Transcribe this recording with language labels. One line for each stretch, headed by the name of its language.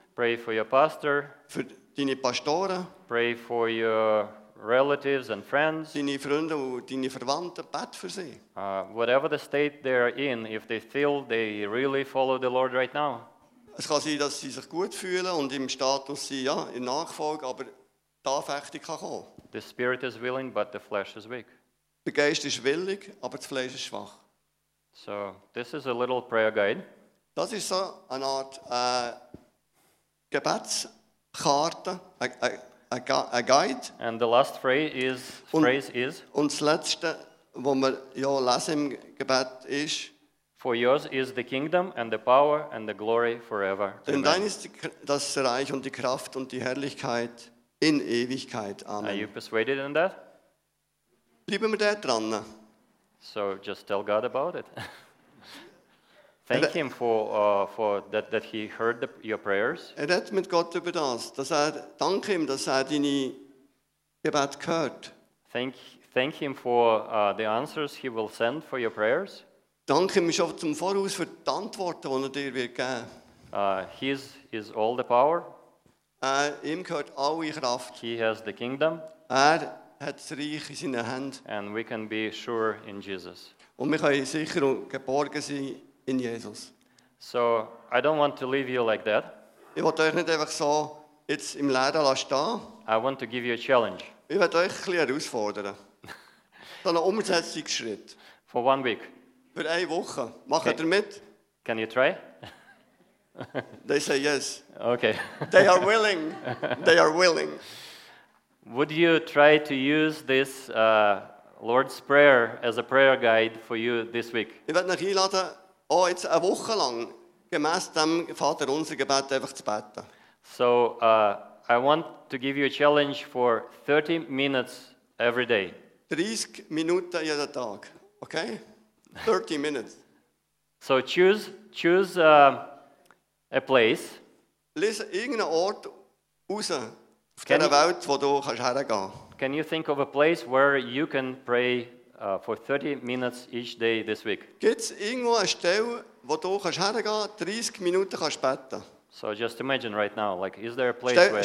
English: Pray for your pastor.
German: Für deine Pastoren.
English: Pray for your relatives and friends.
German: Deine Freunde und deine Verwandten, bet für sie.
English: Whatever the state they are in, if they feel they really follow the Lord right now.
German: Es kann sein, dass sie sich gut fühlen und im Status sind, ja, in Nachfolge, aber die Anfechtung kann kommen.
English: The spirit is willing, but the flesh is weak.
German: Der Geist ist willig, aber das Fleisch ist schwach.
English: So, this is a little prayer guide.
German: Das ist so eine Art Gebetskarte,
English: a guide. And the last phrase is.
German: Und das letzte, wo wir ja lesen im Gebet ist.
English: For yours is the kingdom and the power and the glory forever.
German: Denn dein ist das Reich und die Kraft und die Herrlichkeit in Ewigkeit.
English: Amen. Are you persuaded in that?
German: Bleiben wir da dran.
English: So just tell God about it. Thank him for that he heard your prayers.
German: Er redet mit Gott über das. Dass er, danke ihm, dass er deine Gebet gehört.
English: Thank him for the answers he will send for your prayers.
German: Danke ihm schon zum Voraus für die Antworten, die er dir wird geben.
English: His is all the power.
German: Ihm gehört alle Kraft.
English: He has the kingdom.
German: Er hat das Reich in seinen Händen.
English: And we can be sure in Jesus.
German: Und wir können sicher und geborgen sein in Jesus.
English: So, I don't want to leave you like that.
German: Ich will euch nicht einfach so jetzt im Leben lassen.
English: I want to give you a challenge.
German: Ich will euch ein bisschen herausfordern. So einen Umsetzungsschritt.
English: For 1 week.
German: Für eine Woche. Macht ihr mit?
English: Can you try? They say yes. Okay. They are willing. They are willing. Would you try to use this Lord's Prayer as a prayer guide for you this week?
German: Ich werde euch einladen, auch jetzt eine Woche lang gemäß dem Vater unser Gebet einfach zu beten.
English: So, I want to give you a challenge for 30 minutes every day.
German: 30 Minuten jeden Tag, okay?
English: 30 minutes. So choose a place.
German: Lies irgendeinen Ort raus auf deiner Welt, wo du kannst hergehen.
English: Can you think of a place where you can pray for 30 minutes each day this week?
German: Gibt's irgendwo eine Stelle, wo du kannst hergehen, 30 Minuten kannst beten?
English: So just imagine right now, like, is there a place where I can pray?